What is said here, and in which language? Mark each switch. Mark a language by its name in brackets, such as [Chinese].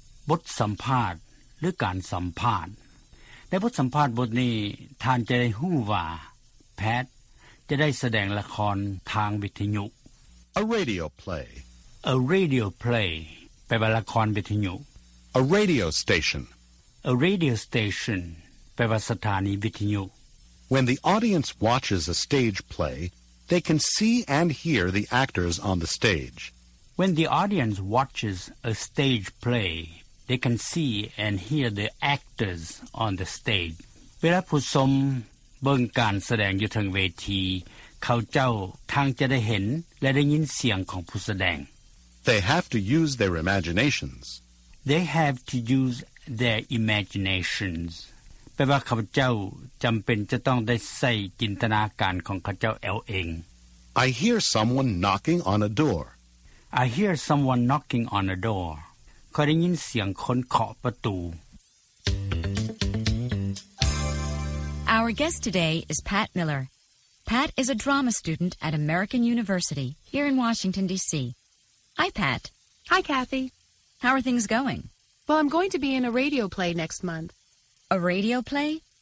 [Thai] บทสัมภาษณ์หรือการสัมภาษณ์ในบทสัมภาษณ์บทนี้ท่านจะได้ฮู้ว่าแพทจะได้แสดงละครทางวิทยุ [English] A radio play [Thai] A radio play แปลว่าละครวิทยุ [English] A radio station [Thai] A radio station แปลว่าสถานีวิทยุ [English] When the audience watches a stage play they can see and hear the actors on the stage When the audience watches a stage playThey can see and hear the actors on the stage. [Thai] เวลาผู้ชมเบิ่งการแสดงอยู่ทางเวทีเขาเจ้าทางจะได้เห็นและได้ยินเสียงของผู้แสดง [English] They have to use their imaginations. They have to use their imaginations. [Thai] แปลว่าเขาเจ้าจำเป็นจะต้องได้ใส่จินตนาการของเขาเจ้าเอง [English] I hear someone knocking on a door. I hear someone knocking on a door. [Thai] เขาได้ยินเสียงคนเคาะประตู [English] Our guest today is Pat Miller. Pat is a drama student at American University here in Washington, D.C. Hi, Pat. Hi, Kathy. How are things going? Well, I'm going to be in a radio play next month. A radio play?